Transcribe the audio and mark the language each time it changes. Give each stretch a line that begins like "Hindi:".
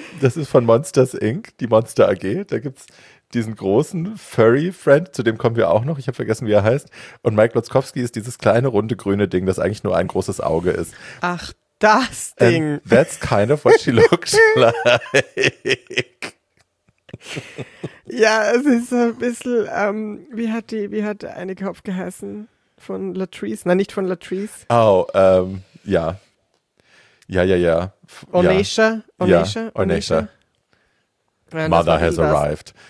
German: Das ist von Monsters Inc., die Monster AG, da gibt's diesen großen Furry-Friend, zu dem kommen wir auch noch, ich habe vergessen, wie er heißt. Und Mike Lotzkowski ist dieses kleine, runde, grüne Ding, das eigentlich nur ein großes Auge ist. Ach, das Ding.
English: And that's kind of what she looks like.
German: Ja, es ist so ein bisschen, wie hat eine Kopf geheißen? Von Latrice? Nein, nicht von Latrice. Ja. Ja. Onesha.
English: Ja, Mother has arrived.